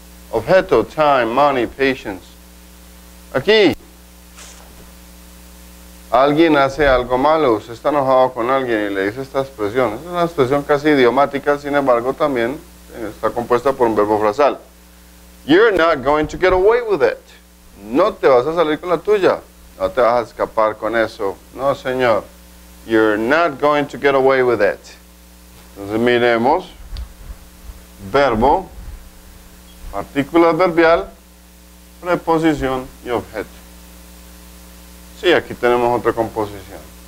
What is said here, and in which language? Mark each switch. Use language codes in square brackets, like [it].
[en] Objeto, time, money, patience. [es] Aquí, alguien hace algo malo, usted está enojado con alguien y le dice esta expresión. Es una expresión casi idiomática, sin embargo, también está compuesta por un verbo frasal. [en] You're not going to get away with it. [es] No te vas a salir con la tuya. No te vas a escapar con eso. No, señor. [en] You're not going to get away with it. [es] Entonces, miremos. Verbo. Partícula adverbial. Preposición y objeto. Sí, aquí tenemos otra composición.